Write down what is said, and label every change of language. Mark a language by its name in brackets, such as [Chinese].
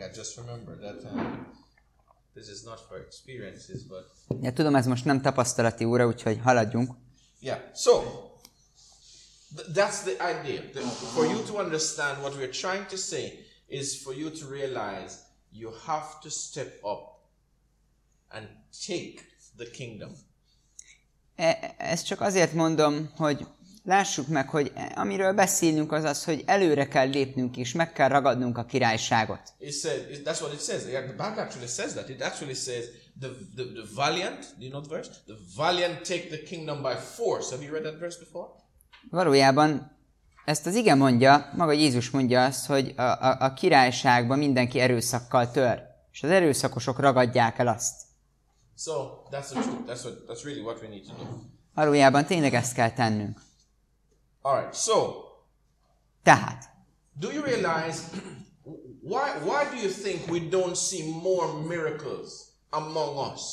[English] I just remember that this is not for experiences, but. [Hungarian] Ja, tudom, ez most nem tapasztalati óra, úgyhogy haladjunk. [English] Yeah. So that's the idea. For you to understand what we're trying to say is for you to realize you have to step up and take the kingdom. [Hungarian] Ezt csak azért mondom, hogy lássuk meg, hogy amiről beszélünk az az, hogy előre kell lépnünk és meg kell ragadnunk a királyságot. [English] That's what it says. Yeah, the Bible actually says that. It actually says the valiant, do you know the verse? The valiant take the kingdom by force. Have you read that verse before? [Hungarian] Valójában ezt az ige mondja, maga Jézus mondja azt, hogy a királyságban mindenki erőszakkal tör, és az erőszakosok ragadják el azt. [English] So that's the truth. That's really what we need to do. [Hungarian] Valójában tényleg ezt kell tennünk. [English] All right. So. [Hungarian] Tehát. [English] Do you realize why do you think we don't see more miracles among us?